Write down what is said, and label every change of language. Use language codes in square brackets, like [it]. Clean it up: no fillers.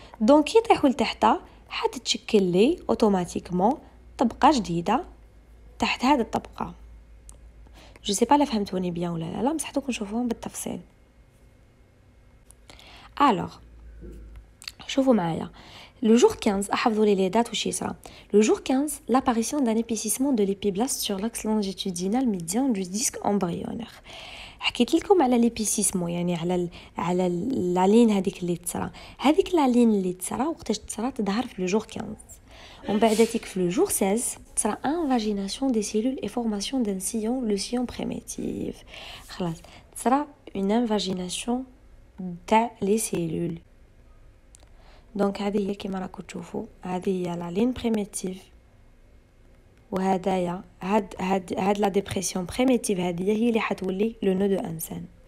[ar] دونك يطيحوا لتحتها حتتشكل لي اوتوماتيكمون طبقه جديده تحت هذه الطبقه. [fr] جو سي با [ar] لا فهمتوني بيان ولا لا، بصح دوك نشوفوهم بالتفصيل. الوغ شوفوا معايا، [fr] le jour 15 [ar] احفظوا لي لي دات واش يصرا. [fr] le jour 15 l'apparition d'un épaississement de l'épiblaste sur l'axe longitudinal médian du disque embryonnaire. [ar] حكيت لكم على l'épiississement، يعني على على لين هذيك اللي تصرا، هذيك لا لين اللي تصرا وقتاش تصرا تظهر في le jour 15. ومن بعد هذيك في [fr] le jour 16 [ar] تصرا [fr] invagination des cellules et formation d'un sillon le sillon primitif. [ar] خلاص تصرا une invagination تاع لي سيلول. دونك هذه هي كيما راكو تشوفوا، هذه هي لا لين بريميتيف، وهذايا هاد هاد هاد لا ديبريسيون بريميتيف، هذه هي اللي حتولي لو نو دو انسان.